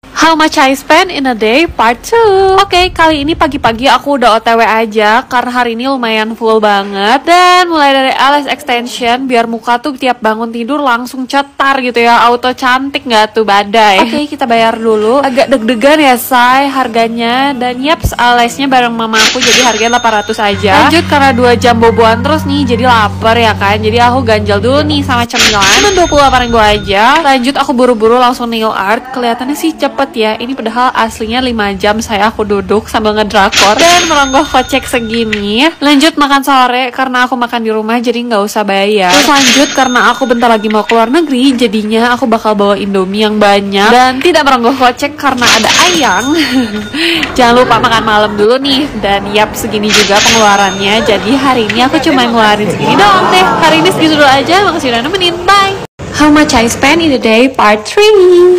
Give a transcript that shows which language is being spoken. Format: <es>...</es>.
<en>How much I spend in a day, part 2.</en> <id>Okay, kali ini pagi-pagi aku udah OTW aja, karena hari ini lumayan full banget. Dan mulai dari alis extension, biar muka tuh tiap bangun tidur langsung cetar gitu ya, auto cantik gak tuh badai. Okay, kita bayar dulu. Agak deg-degan ya, say, harganya. Dan yeps, alisnya bareng mama aku, jadi harganya 800 aja. Lanjut, karena 2 jam boboan terus nih, jadi lapar ya kan. Jadi aku ganjel dulu nih sama cemilan. Cuman 28.000 aja. Lanjut, aku buru-buru langsung nail art. Kelihatannya sih cepet ya, ini padahal aslinya 5 jam saya aku duduk sambil ngedrakor dan meronggok kocek segini. Lanjut makan sore, karena aku makan di rumah jadi gak usah bayar. Terus lanjut, karena aku bentar lagi mau keluar negeri, jadinya aku bakal bawa Indomie yang banyak dan tidak meronggok kocek karena ada ayang. Jangan lupa makan malam dulu nih. Dan yap, segini juga pengeluarannya. Jadi hari ini aku cuma ngeluarin segini doang deh. Hari ini segitu dulu aja, makasih udah nemenin, bye.</id> <en>How much I spend in a day, part 3.</en>